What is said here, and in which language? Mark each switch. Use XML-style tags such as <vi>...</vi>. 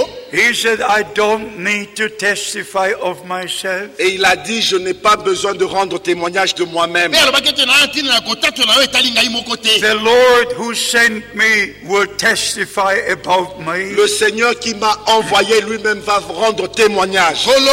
<en>He said, I don't need to testify of myself.</en> <fr>Et il a dit, je n'ai pas besoin de rendre témoignage de moi-même.</fr> <en>The Lord who sent me will testify about me.</en> <fr>Le Seigneur qui m'a envoyé lui-même va rendre témoignage.</fr>